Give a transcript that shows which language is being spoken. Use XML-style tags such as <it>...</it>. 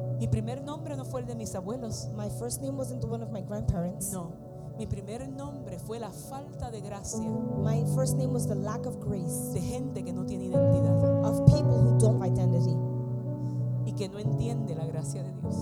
<es>Mi primer nombre no fue el de mis abuelos.</es> <en>My first name wasn't the one of my grandparents.</en> <es>No. Mi primer nombre fue la falta de gracia.</es> <en>My first name was the lack of grace.</en> <es>De gente que no tiene identidad.</es> <en>Of people who don't have identity.</en> <es>Y que no entiende la gracia de Dios.</es>